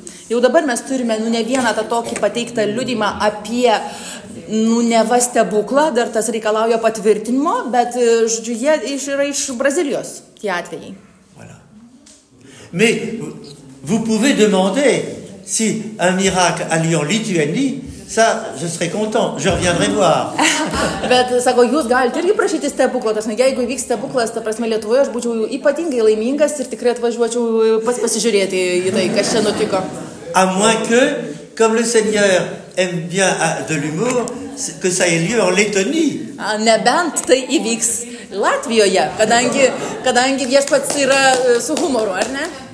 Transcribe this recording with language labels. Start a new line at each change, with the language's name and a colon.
Lithuanian: Jau dabar mes turime, nu, ne vieną tą tokį pateiktą liudimą apie, nu, neva stebuklą, dar tas reikalauja patvirtinimo, bet, žodžiu, jie yra iš Brazilijos, tie atvejai.
French: Voilà. Mais vous pouvez demander... Si un miracle a lieu en Lituanie, ça, je serais content. Je reviendrai voir.
Lithuanian: Bet, sako, jūs galite irgi prašyti stebuklą. Jeigu vyks stebuklas, ta prasme, Lietuvoje, aš būčiau ypatingai laimingas ir tikrai atvažiuočiau pats pasižiūrėti į tai, kas čia nutiko.
French: À moins que, comme le Seigneur aime bien de l'humour, que ça ait lieu en Lettonie.
Lithuanian: Nebent tai įvyks Latvijoje, kadangi jie pats yra su humoru, ar ne?